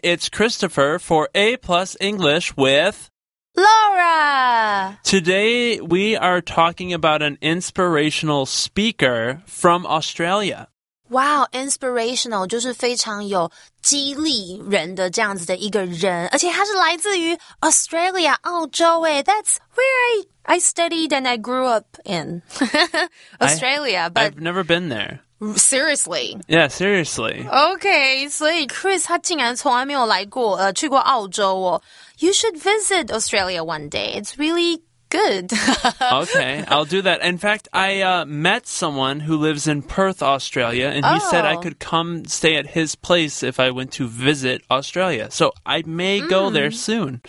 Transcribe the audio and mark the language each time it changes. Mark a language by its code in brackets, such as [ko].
[en] It's Christopher for A Plus English with Laura. Today, we are talking about an inspirational speaker from Australia. [zh] Wow, inspirational 就是非常有激励人的这样子的一个人，而且他是来自于 Australia, 澳洲耶。 [en] That's where I studied and I grew up in. Australia, but I've never been there. Seriously? Yeah, seriously. [zh] Okay, 所以 Chris 他竟然从来没有来过去过澳洲哦。 [en] You should visit Australia one day. It's really good. Okay, I'll do that. In fact, I met someone who lives in Perth, Australia, and he said I could come stay at his place if I went to visit Australia. So I may go there soon.